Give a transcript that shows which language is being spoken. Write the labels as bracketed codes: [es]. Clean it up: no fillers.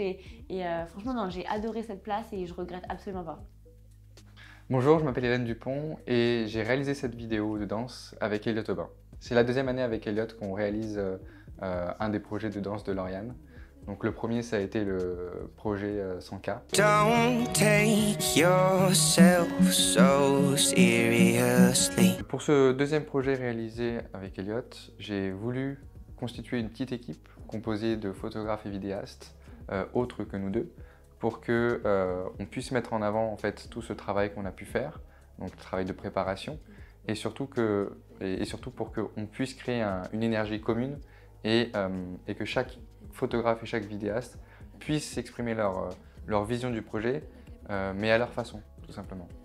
[fr] Et franchement, non, j'ai adoré cette place et je regrette absolument pas. Bonjour, je m'appelle Hélène Dupont et j'ai réalisé cette vidéo de danse avec Elliot Aubin. C'est la deuxième année avec Elliot qu'on réalise un des projets de danse de Lauriane. Donc le premier, ça a été le projet 100K. [en] Don't take yourself so seriously. [fr] Pour ce deuxième projet réalisé avec Elliot, j'ai voulu constituer une petite équipe composée de photographes et vidéastes, autres que nous deux, pour qu'on puisse mettre en avant en fait, tout ce travail qu'on a pu faire, donc le travail de préparation, et surtout pour qu'on puisse créer une énergie commune et que chaque photographe et chaque vidéaste puisse exprimer leur vision du projet, mais à leur façon, tout simplement.